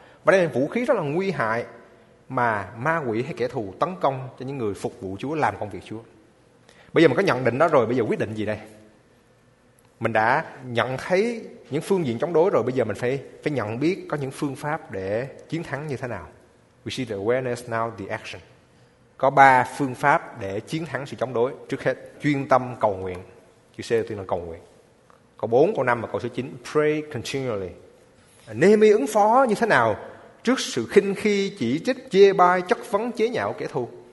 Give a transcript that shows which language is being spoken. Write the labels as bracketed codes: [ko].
[vi] Và đây là vũ khí rất là nguy hại mà ma quỷ hay kẻ thù tấn công cho những người phục vụ Chúa, làm công việc Chúa. Bây giờ mình có nhận định đó rồi, bây giờ quyết định gì đây? Mình đã nhận thấy những phương diện chống đối rồi, bây giờ mình phải nhận biết có những phương pháp để chiến thắng như thế nào. [en] We see the awareness, now the action. [vi] Có ba phương pháp để chiến thắng sự chống đối. Trước hết, chuyên tâm cầu nguyện. Chữ C tuyên là cầu nguyện. Câu 4, câu 5 và câu số 9, [en] pray continually. [vi] Nehemi ứng phó như thế nào trước sự khinh khi, chỉ trích, chê bai, chất vấn, chế nhạo kẻ thù?